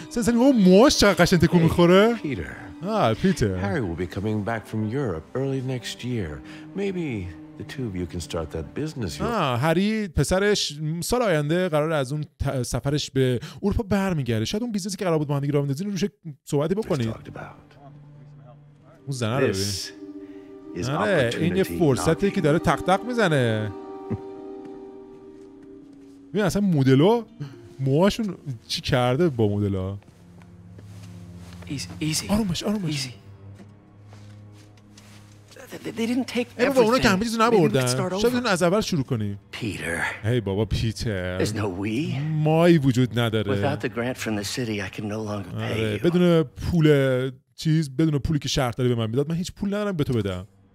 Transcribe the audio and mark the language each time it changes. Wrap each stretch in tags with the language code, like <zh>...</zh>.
<fa>سنسنی با موهاش چقدر قشنگ تکون میخوره.</fa> <en>Peter.</en> <fa>آه پیتر.</fa> <en>Harry will be coming back from Europe early next year. Maybe the two of you can start that business.</en> <fa>آه هری پسرش سال آینده قرار از اون سفرش به اروپا برمیگرده. شاید اون بیزنسی که قرار بود با هم دیگه راه بندازین روش صحبتی بکنید. اون زنه رو ببین. آره این یه فرصتی که داره تق تق میزنه. ببین اصلا مدلو موهاشون چی کرده با مدلو. آرومش آرومش.</fa> <en>They didn't take everything. Maybe we can start over.</en> <fa>از اول شروع کنیم.</fa> <en>Peter.</en> <fa>Hey, بابا پیتر.</fa> <en>There's no we.</en> <fa>مایی وجود نداره.</fa> <en>Without the grant from the city, I can no longer pay you.</en> <fa>بدون پول چیز، بدون پولی که شهر داره به من میداد، من هیچ پول ندارم به تو بدم.</fa>